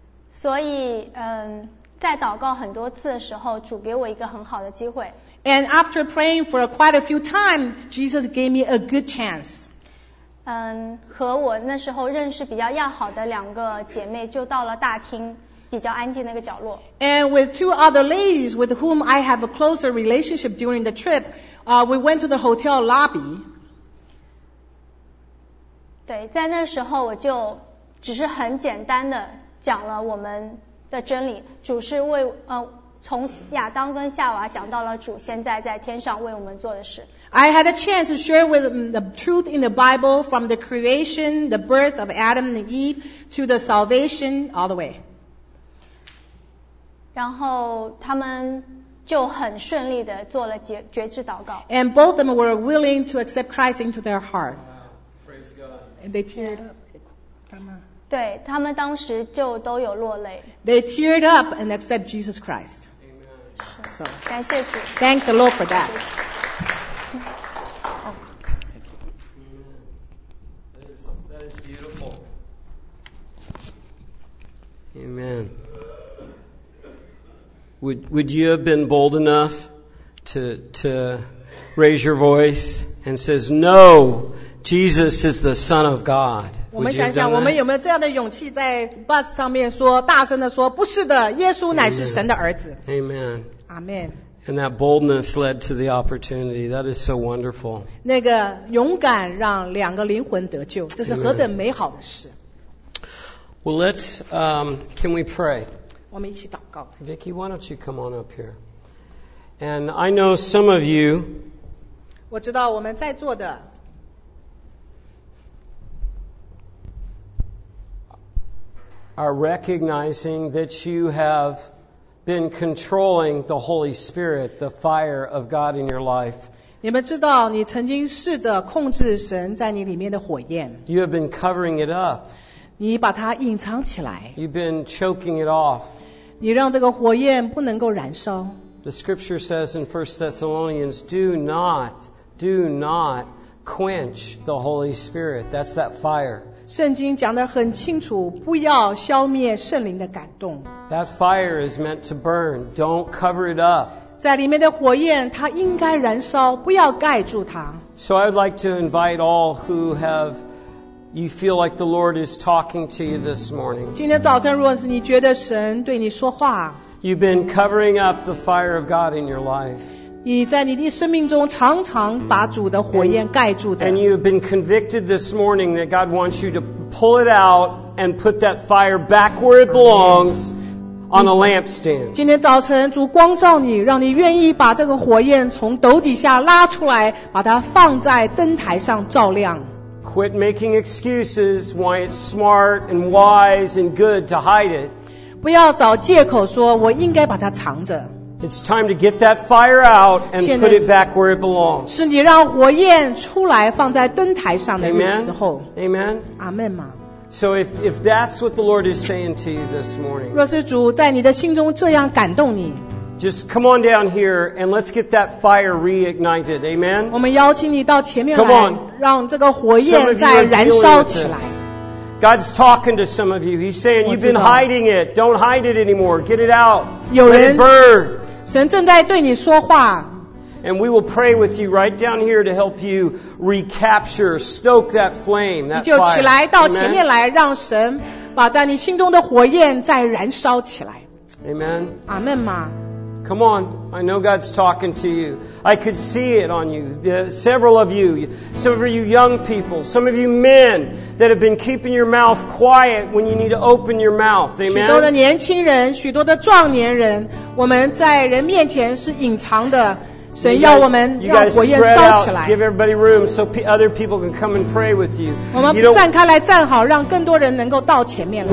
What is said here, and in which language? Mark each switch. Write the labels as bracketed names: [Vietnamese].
[Chinese] 所以，在祷告很多次的时候，主给我一个很好的机会。 [English] And after praying for quite a few times, Jesus gave me a good chance. [Chinese] 和我那时候认识比较要好的两个姐妹就到了大厅比较安静那个角落。 [English] And with 2 other ladies with whom I have a closer relationship during the trip, we went to the hotel lobby. [Chinese] 对，在那时候我就只是很简单的讲了我们的真理，主是为从亚当跟夏娃讲到了主现在在天上为我们做的事。 [English] I had a chance to share with them the truth in the Bible from the creation, the birth of Adam and Eve, to the salvation all the way. [Chinese] 然后他们就很顺利地做了决志祷告。 [English] And both of them were willing to accept Christ into their heart. Wow, praise God. And they teared up. [Chinese] 对，他们当时就都有落泪。 [English] They teared up and accept Jesus Christ. Amen. So, [Chinese] 感谢主。 [English] Thank the Lord for that. That is beautiful. Amen. Would you have been bold enough to raise your voice and says, no, Jesus is the Son of God? [Chinese] 我们有没有这样的勇气在 bus 上面说大声地说 不是的, 耶稣乃是神的儿子。 [English] Amen. Amen. And that boldness led to the opportunity. That is so wonderful. [Chinese] 那个勇敢让两个灵魂得救, 这是何等美好的事。 [English] Amen. Well, let's, can we pray? [Chinese] 我们一起祷告。 [English] Vicky, why don't you come on up here? And I know some of you, [Chinese] 我知道我们在座的, [English] are recognizing that you have been controlling the Holy Spirit, the fire of God in your life. [Chinese] 你们知道你曾经试着控制神在你里面的火焰。 [English] You have been covering it up. [Chinese] 你把它隐藏起来。 [English] You've been choking it off. [Chinese] 你让这个火焰不能够燃烧。 [English] The scripture says in 1 Thessalonians, do not quench the Holy Spirit. That's that fire. [Chinese] 圣经讲得很清楚, 不要消灭圣灵的感动。 [English] That fire is meant to burn. Don't cover it up. [Chinese] 在里面的火焰, 它应该燃烧, 不要盖住它。 [English] So I would like to invite all who have, you feel like the Lord is talking to you this morning. [Chinese] 今天早晨, 如果是你觉得神对你说话, [English] you've been covering up the fire of God in your life. [Chinese] 你在你的生命中常常把主的火焰盖住的。 [English] And you've been convicted this morning that God wants you to pull it out and put that fire back where it belongs on a lampstand. [Chinese] 今天早晨主光照你, 让你愿意把这个火焰从斗底下拉出来, 把它放在灯台上照亮。 [English] Quit making excuses why it's smart and wise and good to hide it. [Chinese] 不要找借口说, 我应该把它藏着。 [English] It's time to get that fire out and put it back where it belongs. [Chinese] 是你让火焰出来放在灯台上的时候。 [English] Amen. Amen. Amen. So if that's what the Lord is saying to you this morning, [Chinese] 若是主在你的心中这样感动你, [English] just come on down here and let's get that fire reignited. Amen. [Chinese] 我们邀请你到前面来, [English] come on. [Chinese] 让这个火焰再燃烧起来。 [English] God's talking to some of you. He's saying, you've been hiding it. Don't hide it anymore. Get it out. [Chinese] 有人, [English] let it burn. [Chinese] 神正在对你说话。 [English] And we will pray with you right down here to help you recapture, stoke that flame, that [Chinese] 你就起来, [English] fire. [Chinese] 到前面来, Amen? 让神把在你心中的火焰再燃烧起来。 [English] Amen. Amen. Come on. I know God's talking to you. I could see it on you. Several of you, some of you young people, some of you men that have been keeping your mouth quiet when you need to open your mouth. Amen. [Chinese] 许多的年轻人, 许多的壮年人, 我们在人面前是隐藏的, 神要我们让火焰烧起来。 [English] You guys spread out, give everybody room so other people can come and pray with you. [Chinese] 我们散开来站好, 让更多人能够到前面来。